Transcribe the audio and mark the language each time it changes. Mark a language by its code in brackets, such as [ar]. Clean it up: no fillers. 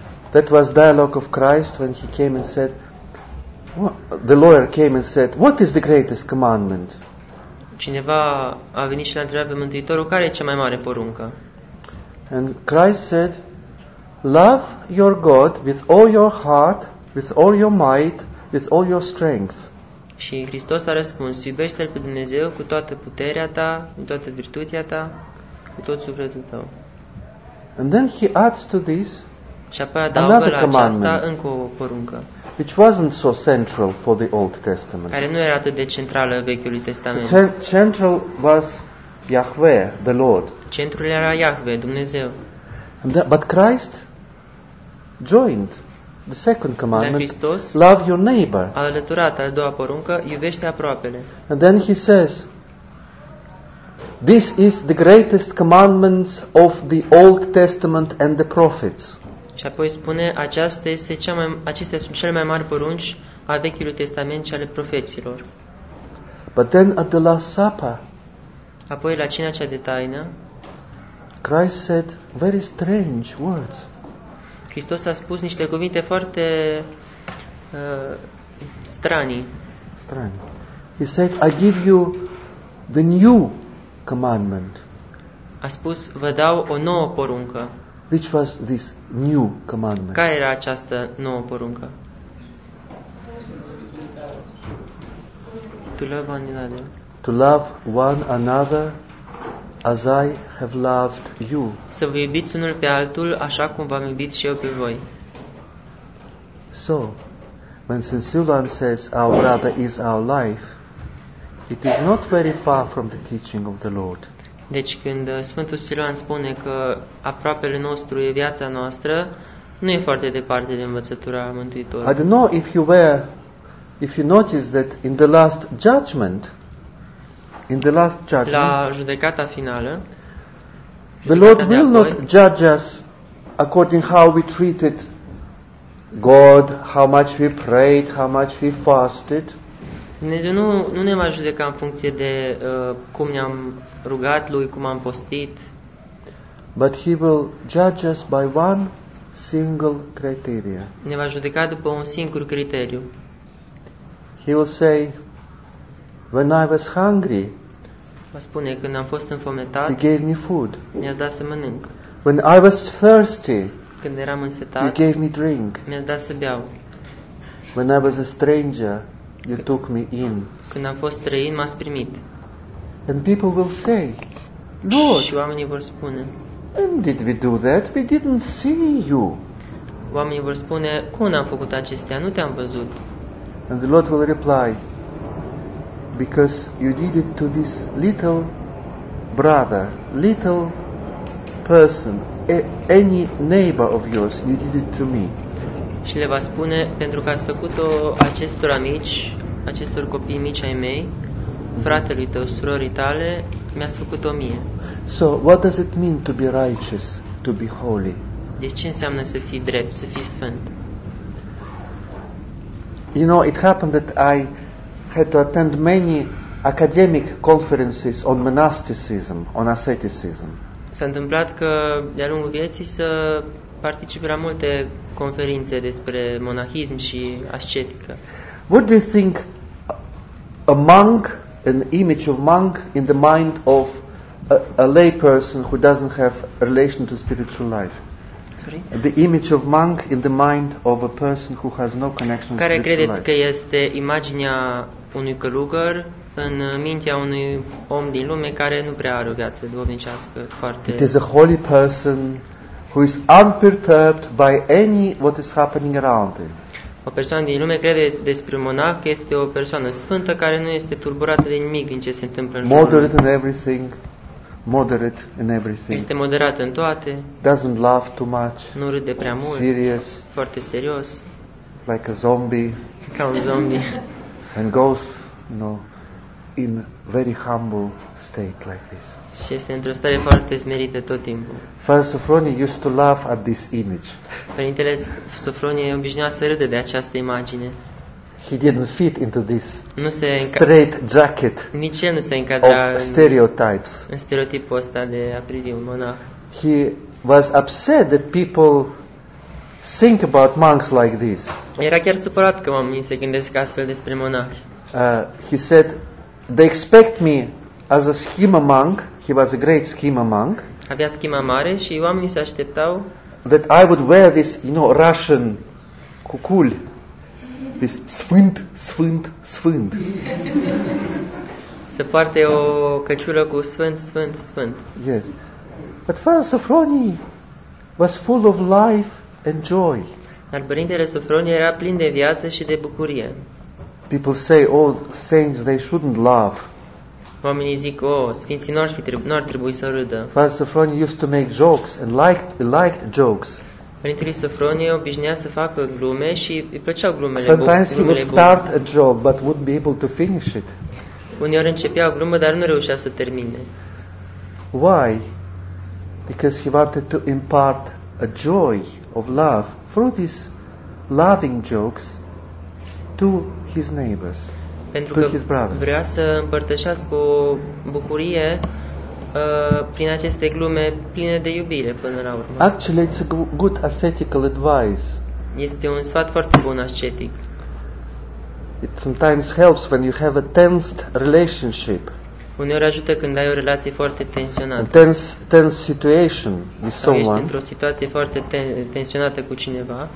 [en] That was dialogue of Christ when he came and said, the lawyer came and said, what is the greatest commandment? [ro] Cineva a venit și l-a întrebat pe Mântuitorul care e cea mai mare poruncă? [en] And Christ said, love your God with all your heart, with all your might, with all your strength. [ro] Și Hristos a răspuns, iubește-L pe Dumnezeu cu toată puterea ta, cu toată virtutea ta, cu tot sufletul tău. [en] And then he adds to this another commandment, which wasn't so central for the Old Testament. [ro] Care nu era atât de centrală Vechiului Testament. [en] Central was Yahweh, the Lord. [ro] Centrul era Yahweh, Dumnezeu. [en] But Christ joined the second commandment, [ro] Hristos, [en] love your neighbor. [ro] A alăturat a doua poruncă, iubește aproapele. [en] And then he says, this is the greatest commandment of the Old Testament and the prophets. [ro] Și apoi spune, acestea sunt cele mai mari porunci a Vechiului Testament și ale profeților. [en] But then at the Last Supper, [ro] apoi la cina cea de taină, [en] Christ said very strange words. [ro] Hristos a spus niște cuvinte foarte strani. [en] He said, I give you the new commandment. [ro] A spus, vă dau o nouă poruncă. [en] Which was this new commandment? [ro] Care era această nouă poruncă? [en] To love one another as I have loved you. [ro] Să vă iubiți unul pe altul așa cum v-am iubit și eu pe voi. [en] So, when St. Silvan says our brother is our life, it is not very far from the teaching of the Lord. [ro] Deci când Sfântul Siloan spune că aproapele nostru e viața noastră, nu e foarte departe de învățătura Mântuitorului. [en] I don't know if you notice that in the last judgment, [ro] la judecata finală, [en] the Lord will not judge us according how we treated God, how much we prayed, how much we fasted. [ro] Dumnezeu nu ne va judeca în funcție de cum ne-am rugat lui, cum am postit. [en] But he will judge us by one single criteria. [ro] Ne va judeca după un singur criteriu. [en] He will say, when I was hungry, [ro] va spune, când am fost înfometat, [en] you gave me food. [ro] Mi-ați dat să mănânc. [en] When I was thirsty, [ro] când eram însetat, [en] you gave me drink. [ro] Mi-ați dat să beau. [en] When I was a stranger, you took me in. [ro] Când am fost străin, m-ați primit. [en] And people will say, [ro] Lord, și oamenii vor spune, [en] when did we do that? We didn't see you. [ro] Oamenii vor spune, cum am făcut acestea? Nu te-am văzut. [en] And the Lord will reply, because you did it to this little brother, little person, any neighbor of yours, you did it to me. [ro] Și le va spune, pentru că ați făcut-o acestor amici, acestor copii mici ai mei, fratelui tău, surorii tale, mi-ați făcut-o mie. [en] So, what does it mean to be righteous, to be holy? [ro] Deci ce înseamnă să fii drept, să fii sfânt? [en] You know, it happened that I had to attend many academic conferences on monasticism, on asceticism. [ro] S-a întâmplat că de-a lungul vieții să particip la multe conferințe despre monahism și ascetică. [en] What do you think a monk, an image of monk in the mind of a lay person who doesn't have a relation to spiritual life? Sorry? The image of monk in the mind of a person who has no connection [ro] care [en] to spiritual life. [ro] Care credeți că este imaginea unui călugăr în mintea unui om din lume care nu prea are o viață duhovnicească foarte... [en] It is a holy person who is unperturbed by any what is happening around him. [ro] O persoană din lume crede despre un monah că este o persoană sfântă care nu este turburată de nimic din ce se întâmplă în lume. [en] Moderate in everything. [ro] Este moderat în toate. [en] Doesn't laugh too much. [ro] Nu râde prea mult. [en] Serious. [ro] Foarte serios. [en] Like a zombie. [ro] Ca un zombie. [en] And goes, in very humble state like this. [ro] Și este într-o stare foarte smerită tot timpul. [en] Father Sofronie used to laugh at this image. [ro] Părintele Sofronie obișnuia să râde de această imagine. [en] He didn't fit into this. [ro] Nu se [en] straight jacket. [ro] Nici el nu se încadra [en] of stereotypes. [ro] În stereotipul ăsta de a privi un monah. [en] He was upset that people think about monks like this. [ro] Era chiar supărat că oamenii se gândesc astfel despre monahi. [en] He said, they expect me as a schema monk. He was a great schema monk. [ro] Avea schima mare și oamenii se așteptau [en] that I would wear this, you know, Russian cucul. [ro] This sfânt, sfânt, sfânt. Să poarte o căciulă cu sfânt, sfânt, sfânt. [en] Yes. But Father Sofronie was full of life and joy. [ro] Dar Părintele Sofronie era plin de viață și de bucurie. [en] People say, oh, saints, they shouldn't laugh. [ro] Oamenii zic, oh, sfinții nu ar trebui să râdă. [en] Father Sofronie used to make jokes and liked jokes. [ro] Părintele Sofronie obișnuia să facă glume și îi plăceau glumele. [en] Sometimes he would start a joke, but wouldn't be able to finish it. [ro] Uneori începea o glumă, dar nu reușea să termine. [en] Why? Because he wanted to impart a joy of love through these loving jokes to his neighbors, [ro] pentru [en] to [ro] că [en] his brothers. [ro] Vrea să împărtășească o bucurie prin aceste glume pline de iubire până la urmă. [en] Actually, it's a good ascetical advice. [ro] Este un sfat foarte bun ascetic. [en] It sometimes helps when you have a tensed relationship. [ro] Uneori ajută când ai o relație foarte tensionată. [en] Tense situation with someone. [ro] Sau ești într-o situație foarte tensionată cu cineva.